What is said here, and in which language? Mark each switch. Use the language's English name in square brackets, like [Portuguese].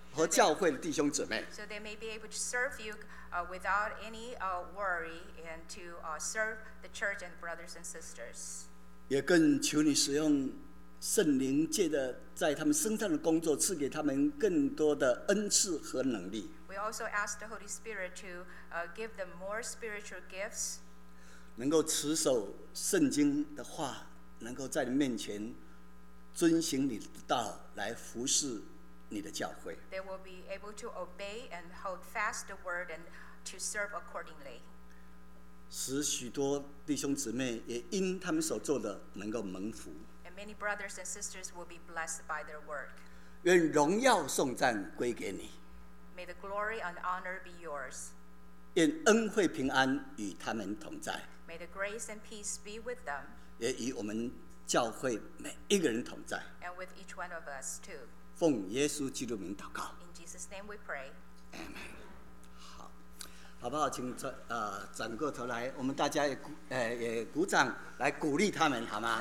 [Chinese] 和教会的弟兄姊妹。 [English] So they may be able to serve you without any worry and to serve the church and brothers and sisters. [Chinese] 也更求你使用圣灵借着在他们身上的工作，赐给他们更多的恩赐和能力。 [English] We also ask the Holy Spirit to give them more spiritual gifts. [Chinese] 能够持守圣经的话，能够在你面前遵行你的道来服侍。你的教会。 [English] They will be able to obey and hold fast the word and to serve accordingly. [Chinese] 使许多弟兄姊妹也因他们所做的能够蒙福。 [English] And many brothers and sisters will be blessed by their work. [Chinese] 愿荣耀颂赞归给你。 [English] May the glory and honor be yours. [Chinese] 愿恩惠平安与他们同在。 [English] May the grace and peace be with them. [Chinese] 也与我们教会每一个人同在。 [English] And with each one of us too. [Chinese] 奉耶稣基督名祷告。 [English] In Jesus' name we pray. [Chinese] Amen. 好，好不好？请转过头来，我们大家也鼓掌来鼓励他们，好吗